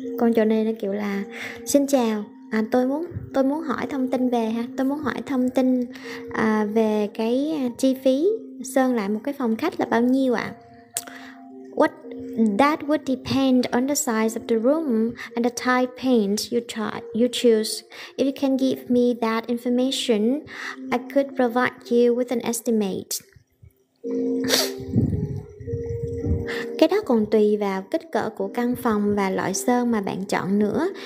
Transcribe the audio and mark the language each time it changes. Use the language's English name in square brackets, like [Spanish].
[Vietnamese] Còn chỗ này là kiểu là xin chào, tôi muốn hỏi thông tin về ha. Tôi muốn hỏi thông tin về cái chi phí sơn lại một cái phòng khách là bao nhiêu ạ? [English] What that would depend on the size of the room and the type of paint you choose. If you can give me that information, I could provide you with an estimate. [Vietnamese] Cái đó còn tùy vào kích cỡ của căn phòng và loại sơn mà bạn chọn nữa.